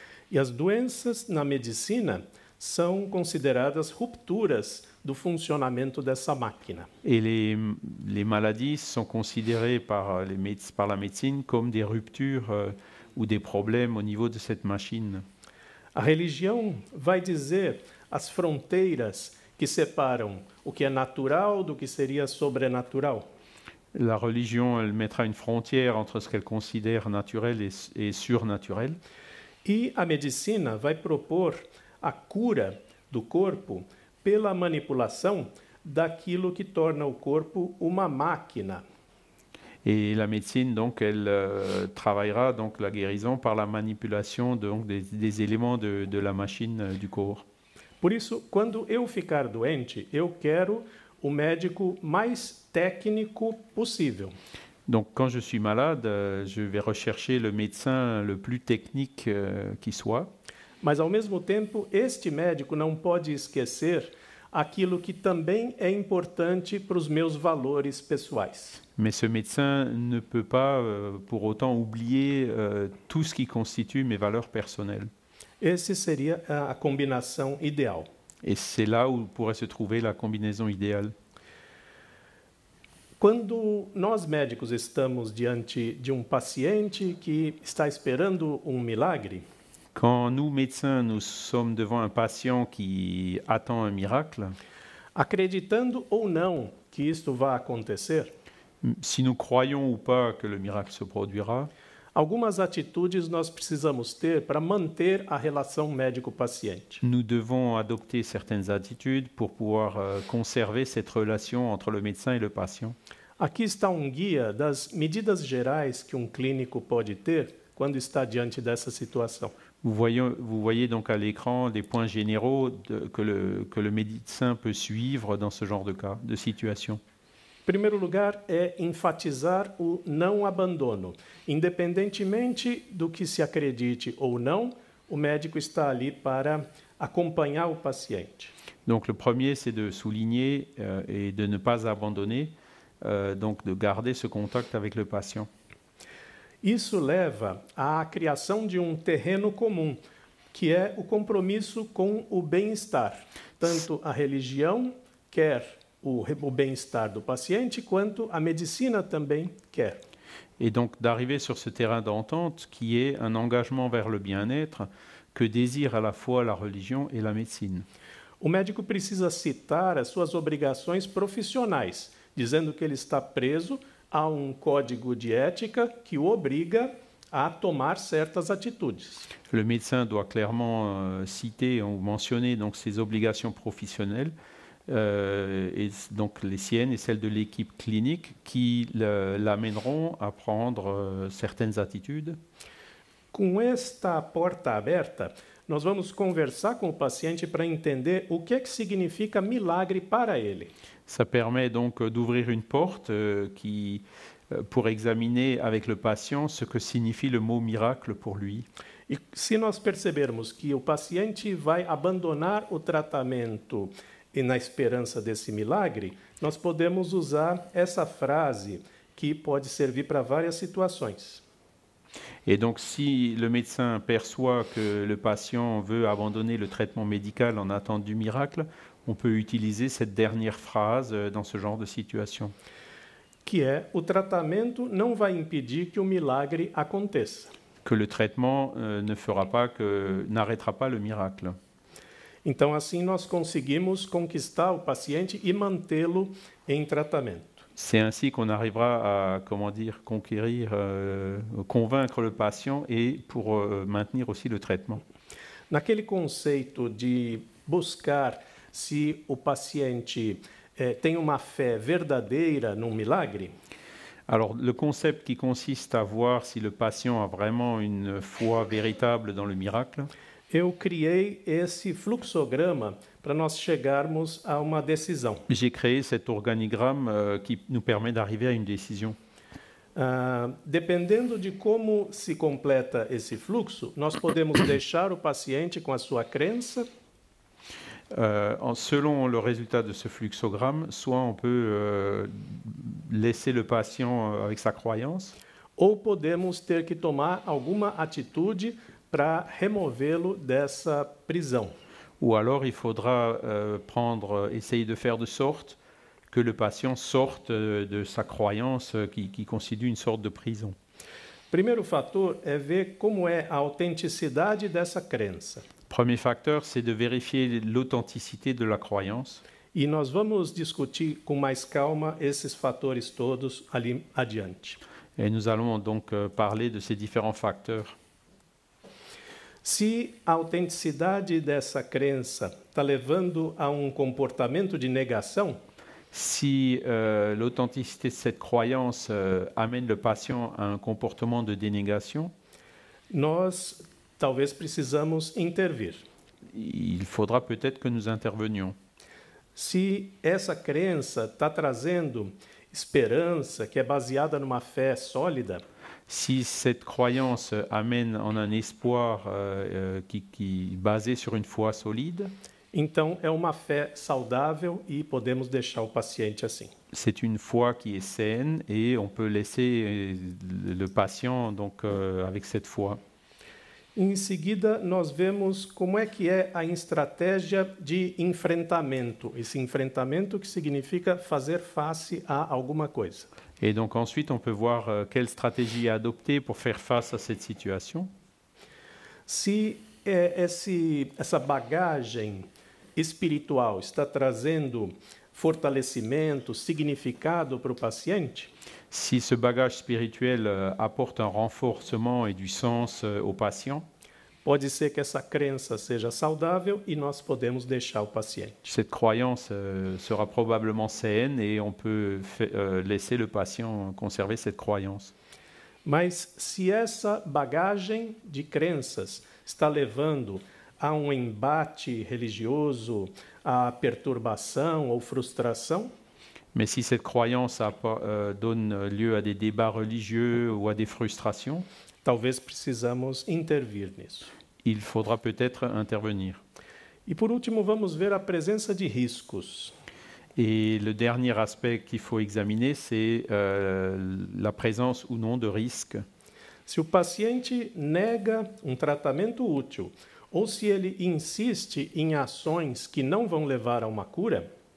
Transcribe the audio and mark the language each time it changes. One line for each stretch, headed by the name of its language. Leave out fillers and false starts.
Portuguese: E as doenças na medicina são consideradas rupturas do funcionamento dessa máquina.
French: Et les maladies sont considérées par la médecine comme des ruptures ou des problèmes au niveau de cette machine.
Portuguese: A religião vai dizer as fronteiras que separam o que é natural do que seria sobrenatural.
French: La religion elle mettra une frontière entre ce qu'elle considère naturel et surnaturel.
Portuguese: E a medicina vai propor a cura do corpo pela manipulação daquilo que torna o corpo uma máquina.
French: Et la médecine, donc, elle travaillera donc la guérison par la manipulation donc des éléments de la machine du corps.
Portuguese: Por isso, quando eu ficar doente, eu quero o médico mais técnico possível.
French: Donc, quand je suis malade, je vais rechercher le médecin le plus technique qui soit.
Portuguese: Mas ao mesmo tempo, este médico não pode esquecer aquilo que também é importante para os meus valores pessoais.
French: Mais ce médecin ne peut pas pour autant oublier tout ce qui constitue mes valeurs personnelles.
Portuguese: Esse seria a combinação ideal.
French: Et c'est là où pourrait se trouver la combinaison idéale.
Portuguese: Quando nós médicos estamos diante de paciente que está esperando milagre,
French: quand nous médecins nous sommes devant un patient qui attend un miracle,
Portuguese: acreditando ou não que isto vá acontecer,
French: si nous croyons ou pas que le miracle se produira,
Portuguese: algumas atitudes nós precisamos ter para manter a relação médico-paciente.
French: Nous devons adopter certaines attitudes pour pouvoir conserver cette relation entre le médecin et le patient.
Portuguese: Aqui está guia das medidas gerais que clínico pode ter quando está diante dessa situação.
French: Vous voyez donc à l'écran des points généraux que le médecin peut suivre dans ce genre de cas, de situation.
Portuguese: Em primeiro lugar, é enfatizar o não abandono. Independentemente do que se acredite ou não, o médico está ali para acompanhar o paciente.
French: Donc le premier c'est de souligner et de ne pas abandonner donc de garder ce contact avec le patient.
Portuguese: Isso leva à criação de terreno comum, que é o compromisso com o bem-estar. Tanto a religião quer o bem-estar do paciente, quanto a medicina também quer.
French: et donc d'arriver sur ce terrain d'entente qui est un engagement vers le bien-être que désire à la fois la religion et la médecine.
Portuguese: O médico precisa citar as suas obrigações profissionais, dizendo que ele está preso a um código de ética que o obriga à tomar certas atitudes.
French: Le médecin doit clairement citer ou mentionner donc ses obligations professionnelles et donc les siennes et celles de l'équipe clinique qui l'amèneront à prendre certaines attitudes.
Portuguese: Com esta porta aberta, nós vamos conversar com o paciente para entender o que que significa milagre para ele.
French: Ça permet donc d'ouvrir une porte qui pour examiner avec le patient ce que signifie le mot miracle pour lui.
Portuguese: E se nós percebermos que o paciente vai abandonar o tratamento e na esperança desse milagre, nós podemos usar essa frase que pode servir para várias situações.
French: Et donc si le médecin perçoit que le patient veut abandonner le traitement médical en attente du miracle, on peut utiliser cette dernière phrase dans ce genre de situation.
Portuguese: Que é, o tratamento não vai impedir que o milagre aconteça.
French: Que le traitement ne fera pas que n'arrêtera pas le miracle.
Portuguese: Então assim nós conseguimos conquistar o paciente e mantê-lo em tratamento.
French: C'est ainsi qu'on arrivera à comment dire conquérir convaincre le patient et pour maintenir aussi le traitement.
Portuguese: Naquele conceito de buscar se o paciente tem uma fé verdadeira num milagre.
French: Alors, le concept qui consiste à voir si le patient a vraiment une foi véritable dans le miracle.
Portuguese: Eu criei esse fluxograma para nós chegarmos a uma decisão.
French: J'ai créé cet organigramme qui nous permet d'arriver à une décision.
Portuguese: Dependendo de como se completa esse fluxo, nós podemos deixar o paciente com a sua crença.
French: Selon le résultat de ce fluxogramme, soit on peut laisser le patient avec sa croyance,
Portuguese: ou podemos ter que tomar alguma atitude para removê-lo dessa prisão.
French: Ou alors il faudra prendre, essayer de faire de sorte que le patient sorte de sa croyance qui constitue une sorte de prison.
Portuguese: Primeiro fator é ver como é a autenticidade dessa crença.
French: Premier facteur, c'est de vérifier l'authenticité de la croyance.
Portuguese: E nós vamos discutir com mais calma esses fatores todos ali adiante.
French: Et nous allons donc parler de ces différents facteurs.
Portuguese: Se a autenticidade dessa crença está levando a um comportamento de negação,
French: si l'authenticité de cette croyance amène le patient à un comportement de dénégation,
Portuguese: nós talvez precisamos intervir.
French: Il faudra peut-être que nous intervenions.
Portuguese: Se essa crença está trazendo esperança, que é baseada numa fé sólida,
French: si cette croyance amène en un espoir qui basé sur une foi solide,
Portuguese: então é uma fé saudável e podemos deixar o paciente assim.
French: C'est une foi qui est saine et on peut laisser le patient donc avec cette foi.
Portuguese: Em seguida, nós vemos como é que é a estratégia de enfrentamento. Esse enfrentamento que significa fazer face a alguma coisa.
French: E donc ensuite, on peut voir quelle stratégie adopter pour faire face à cette situation.
Portuguese: Se essa bagagem espiritual está trazendo fortalecimento, significado para o paciente.
French: Si ce bagage spirituel apporte un renforcement et du sens au patient.
Portuguese: Pode ser que essa crença seja saudável e nós podemos deixar o paciente.
French: Cette croyance sera probablement saine et on peut laisser le patient conserver cette croyance.
Portuguese: Mas se essa bagagem de crenças está levando a um embate religioso, a perturbação ou frustração,
French: mais si cette croyance donne lieu à des débats religieux ou à des frustrations,
Portuguese: talvez precisamos intervir nisso.
French: Il faudra peut-être intervenir.
Portuguese: E por último, vamos ver a presença de riscos.
French: Et le dernier aspect qu'il faut examiner, c'est la présence ou non de risques.
Portuguese: Se o paciente nega tratamento útil, ou se ele insiste em ações que não vão levar a uma cura,